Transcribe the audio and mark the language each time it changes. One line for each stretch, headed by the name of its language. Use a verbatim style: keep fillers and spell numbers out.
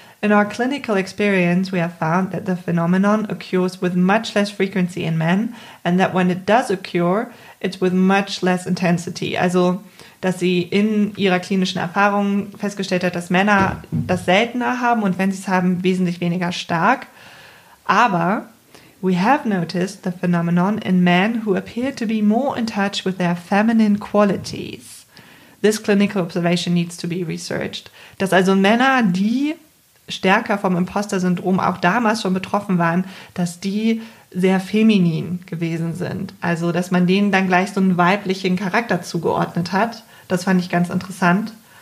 English: In our clinical experience, we have found that the phenomenon occurs with much less frequency in men and that when it does occur, it's with much less intensity.
German: Also, dass sie in ihrer klinischen Erfahrung festgestellt hat, dass Männer das seltener haben und wenn sie es haben, wesentlich weniger stark.
English: Aber we have noticed the phenomenon in men who appear to be more in touch with their feminine qualities. This clinical observation needs to be researched.
German: Dass also Männer, die stärker vom Imposter-Syndrom auch damals schon betroffen waren, dass die sehr feminin gewesen sind. Also, dass man denen dann gleich so einen weiblichen Charakter zugeordnet hat. Das fand ich ganz interessant.